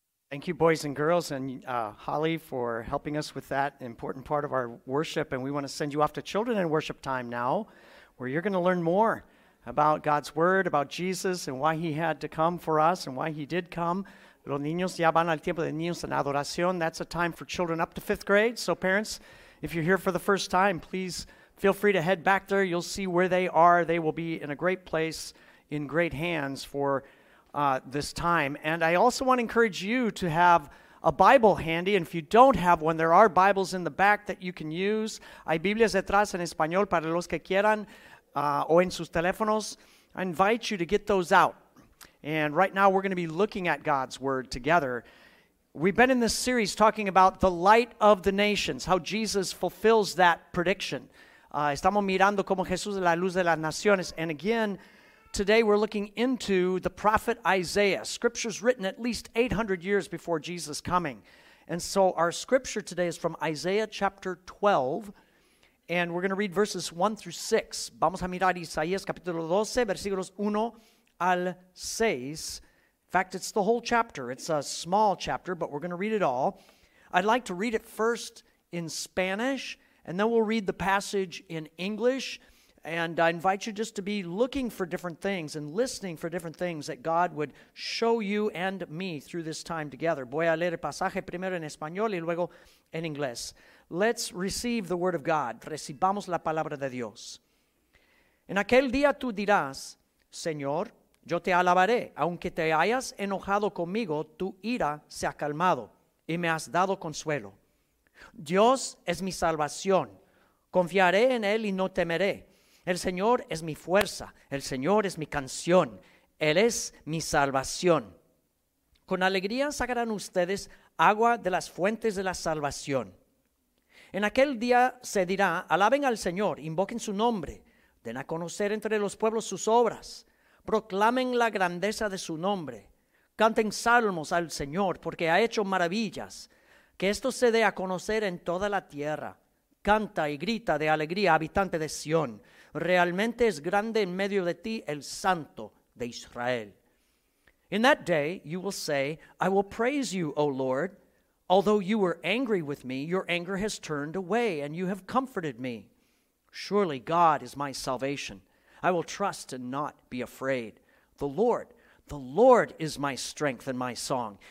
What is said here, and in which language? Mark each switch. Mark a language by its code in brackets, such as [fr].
[en] Thank you, boys and girls, and Holly, for helping us with that important part of our worship. And we want to send you off to children in worship time now, where you're going to learn more about God's word, about Jesus, and why he had to come for us, and why he did come. [es] Los niños ya van al tiempo de niños en adoración. [en] That's a time for children up to fifth grade. So parents, if you're here for the first time, please feel free to head back there. You'll see where they are. They will be in a great place, in great hands for this time. And I also want to encourage you to have a Bible handy. And if you don't have one, there are Bibles in the back that you can use. [es] Hay Biblias detrás en español para los que quieran o en sus teléfonos. [en] I invite you to get those out. And right now we're going to be looking at God's Word together. We've been in this series talking about the light of the nations, how Jesus fulfills that prediction. [es] Estamos mirando como Jesús es la luz de las naciones. [en] And again, today we're looking into the prophet Isaiah, scriptures written at least 800 years before Jesus' coming. And so our scripture today is from Isaiah chapter 12, and we're going to read verses 1 through 6. [es] Vamos a mirar Isaías capítulo 12, versículos 1 al 6. [en] In fact, it's the whole chapter. It's a small chapter, but we're going to read it all. I'd like to read it first in Spanish, and then we'll read the passage in English. And I invite you just to be looking for different things and listening for different things that God would show you and me through this time together. [es] Voy a leer el pasaje primero en español y luego en inglés. [en] Let's receive the word of God. [es] Recibamos la palabra de Dios. En aquel día tú dirás, Señor, yo te alabaré. Aunque te hayas enojado conmigo, tu ira se ha calmado y me has dado consuelo. Dios es mi salvación. Confiaré en él y no temeré. El Señor es mi fuerza, el Señor es mi canción, Él es mi salvación. Con alegría sacarán ustedes agua de las fuentes de la salvación. En aquel día se dirá, alaben al Señor, invoquen su nombre, den a conocer entre los pueblos sus obras, proclamen la grandeza de su nombre, canten salmos al Señor porque ha hecho maravillas, que esto se dé a conocer en toda la tierra. Canta y grita de alegría, habitante de Sión. Realmente es grande en medio de ti el Santo de Israel. [en] In that day you will say, I will praise you, O Lord. Although you were angry with me, your anger has turned away and you have comforted me. Surely God is my salvation. I will trust and not be afraid. The Lord is my strength and my song.